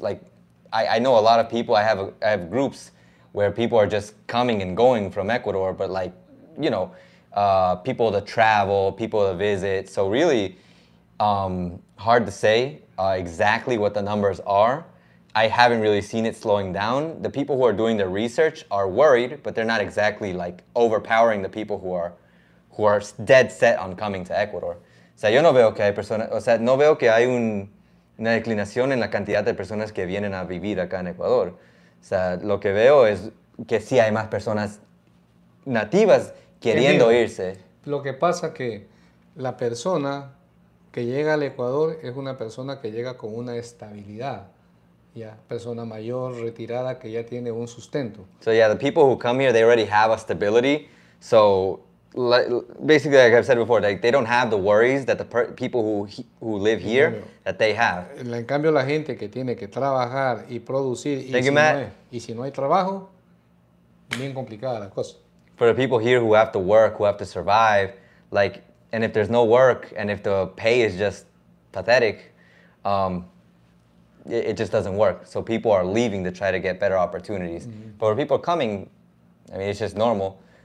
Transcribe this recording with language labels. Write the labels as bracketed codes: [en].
[en] Like, I know a lot of people, I have groups where people are just coming and going from Ecuador, but like, you know, people to travel, people to visit. So really, hard to say exactly what the numbers are. I haven't really seen it slowing down. The people who are doing the research are worried, but they're not exactly like overpowering the people who are dead set on coming to Ecuador. [es] O sea, yo no veo que hay personas, o sea, no veo que hay una declinación en la cantidad de personas que vienen a vivir acá en Ecuador. O sea, lo que veo es que sí hay más personas nativas queriendo irse. Lo que pasa que la persona que llega al Ecuador es una persona que llega con una estabilidad. Ya, persona mayor, retirada, que ya tiene un sustento. [en] So yeah, the people who come here, they already have a stability. So basically, like I've said before, like, they don't have the worries that the people who live here, that they have. [es] En cambio, la gente que tiene que trabajar y producir, y si no hay trabajo, bien complicada la cosa. [en] For the people here who have to work, who have to survive, like, and if there's no work, and if the pay is just pathetic, it just doesn't work. So people are leaving to try to get better opportunities. Mm-hmm. But when people are coming, I mean, it's just normal.